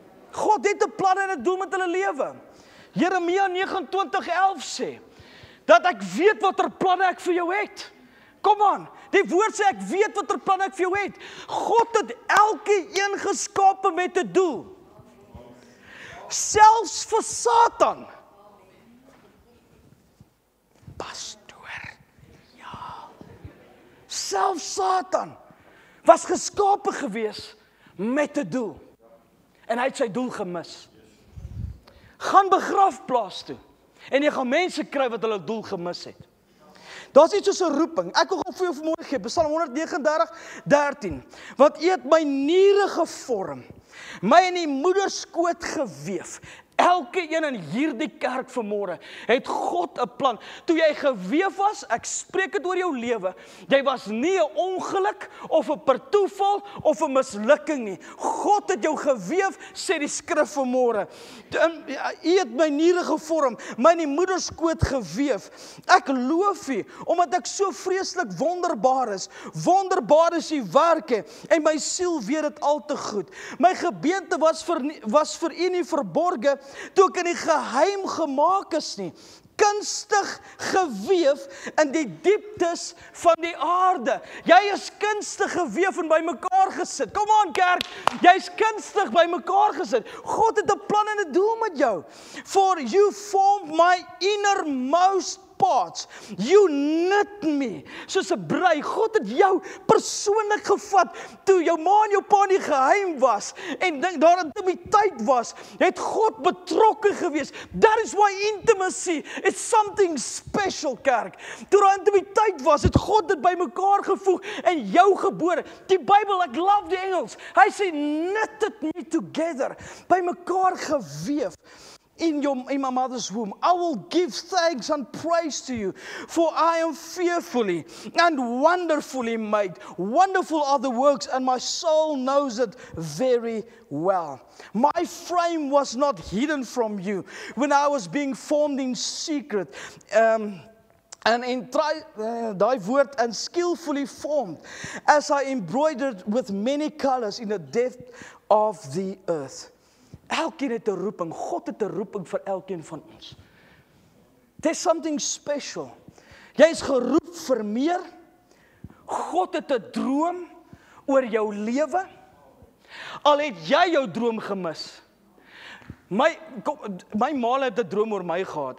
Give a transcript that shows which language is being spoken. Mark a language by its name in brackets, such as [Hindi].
[Afrikaans] God het 'n plan en 'n doel met hulle lewe. Jeremia 29:11 sê, dat ek weet watter planne ek vir jou het. Kom aan, die woord sê ek weet watter planne ek vir jou het. God het elke een geskape met 'n doel. Selfs vir Satan. Pas. Self Satan was geskape gewees met 'n doel en hy het sy doel gemis. Gaan begrafplaas toe en jy gaan mense kry wat hulle doel gemis het. Daar's iets soos 'n roeping. Ek wil gou vir jou vanmôre gee, Psalm 139:13. Wat eet my niere gevorm, my in die moederskoot geweef. Elke een in hierdie kerk vanmôre het God 'n plan. Toe jy geweef was, ek spreek dit oor jou lewe, jy was nie 'n ongeluk of 'n per toeval of 'n mislukking nie. God het jou geweef, sê die skrif vanmôre. Hy het my niere gevorm, my in die moederskoot geweef. Ek loof U omdat ek so vreeslik wonderbaar is. Wonderbaar is U werke en my siel weet dit al te goed. My gebeente was vir U nie verborge toe ek in die geheim gemaak is nie, kunstig geweef in die dieptes van die aarde. Jy is kunstig geweef en bymekaar gesit. Kom aan kerk, jy is kunstig bymekaar gesit. God het 'n plan en 'n doel met jou. [English] For you formed my innermost parts. You knit me. [Afrikaans] Soos 'n brei. God het jou persoonlik gevat toe jou ma en jou pa in die geheim was en dink daar intimiteit was. Het God betrokke gewees. [English] That is why intimacy is something special, kerk. [Afrikaans] Toe daar intimiteit was, het God dit bymekaar gevoeg en jou gebore. Die Bybel, ek love die Engels. Hy sê, [English] knitted me together. [Afrikaans] Bymekaar geweef. [English] In my mother's womb, I will give thanks and praise to you, for I am fearfully and wonderfully made. Wonderful are the works, and my soul knows it very well. My frame was not hidden from you when I was being formed in secret. And skillfully formed as I embroidered with many colors in the depth of the earth. [Afrikaans] Elkeen het 'n roeping. God het 'n roeping vir elkeen van ons. [English] There's something special. [Afrikaans] Jy is geroep vir meer. God het 'n droom oor jou lewe. Al het jy jou droom gemis. My ma het 'n droom oor my gehad.